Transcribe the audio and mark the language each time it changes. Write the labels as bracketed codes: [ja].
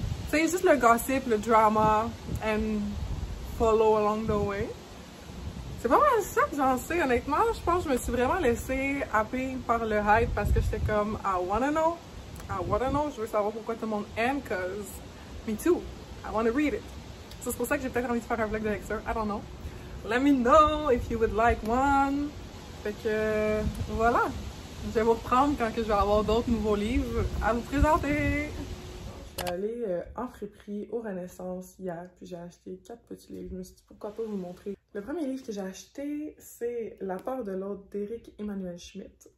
[fr] C'est juste le gossip, le drama, [en] and follow along the way. [fr] C'est pas mal ça que j'en sais, honnêtement, je pense que je me suis vraiment laissée happer par le hype parce que j'étais comme [en] I wanna know, [fr] je veux savoir pourquoi tout le monde aime, [en] cause me too, I wanna read it. [fr] So c'est pour ça que j'ai peut-être envie de faire un vlog de lecture, [en] I don't know. Let me know if you would like one. [fr] Fait que voilà, je vais vous reprendre quand que je vais avoir d'autres nouveaux livres à vous présenter. Je suis allée en friperie au Renaissance hier, puis j'ai acheté 4 petits livres. Je me suis dit pourquoi pas vous montrer. Le premier livre que j'ai acheté, c'est La part de l'autre d'Éric Emmanuel Schmitt.